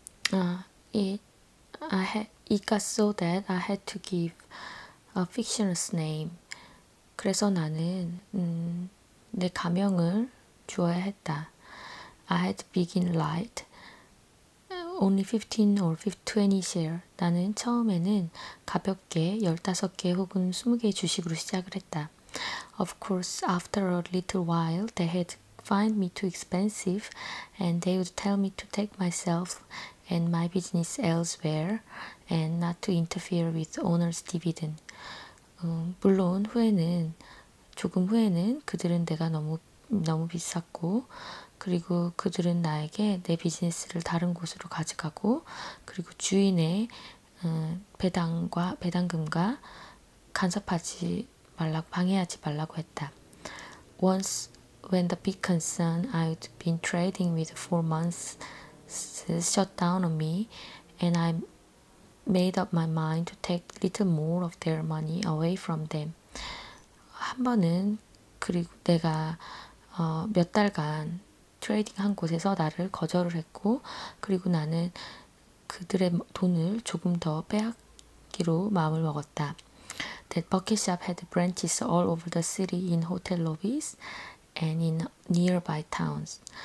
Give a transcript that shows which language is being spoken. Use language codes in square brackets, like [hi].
[en] So that I had to give a fictitious name. [ko] 그래서 나는 내 가명을 주어야 했다. [en] I had to begin light. Only 15 or 20 share. [ko] 나는 처음에는 가볍게 15개 혹은 20개 주식으로 시작을 했다. [en] Of course, after a little while, they had find me too expensive, and they would tell me to take myself and my business elsewhere, and not to interfere with owner's dividend. [ko] 물론 후에는 조금 후에는 그들은 내가 너무 비쌌고, 그리고 그들은 나에게 내 비즈니스를 다른 곳으로 가져가고, 그리고 주인의 배당금과 간섭하지 말라고 방해하지 말라고 했다. [en] Once when the big concern I'd been trading with 4 months shut down on me, and I made up my mind to take little more of their money away from them. [ko] 한 번은 그리고 내가 몇 달간 트레이딩한 곳에서 나를 거절을 했고, 그리고 나는 그들의 돈을 조금 더 빼앗기로 마음을 먹었다. [en] That bucket shop had branches all over the city in hotel lobbies and in nearby towns.